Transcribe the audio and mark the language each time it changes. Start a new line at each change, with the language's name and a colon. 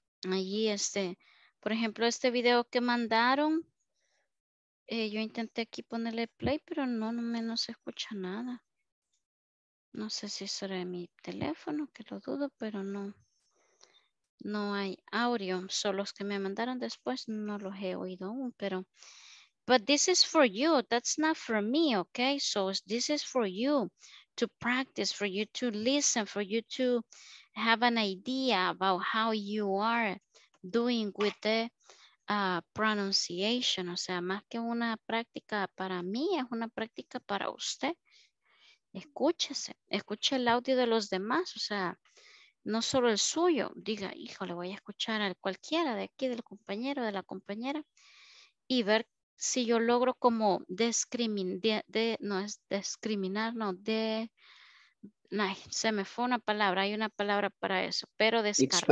Spanish: Allí, por ejemplo, este video que mandaron, yo intenté aquí ponerle play, pero no se escucha nada. No sé si será mi teléfono, que lo dudo, pero no hay audio. Son los que me mandaron después, no los he oído aún, pero...
English: But this is for you, that's not for me, okay? So this is for you to practice, for you to listen, for you to have an idea about how you are doing with the pronunciation.
Spanish: O sea, más que una práctica para mí, es una práctica para usted. Escúchese, escuche el audio de los demás, o sea, no solo el suyo. Diga, híjole, voy a escuchar al cualquiera de aquí, del compañero, de la compañera, y ver si yo logro como se me fue una palabra, hay una palabra para eso, pero descartar.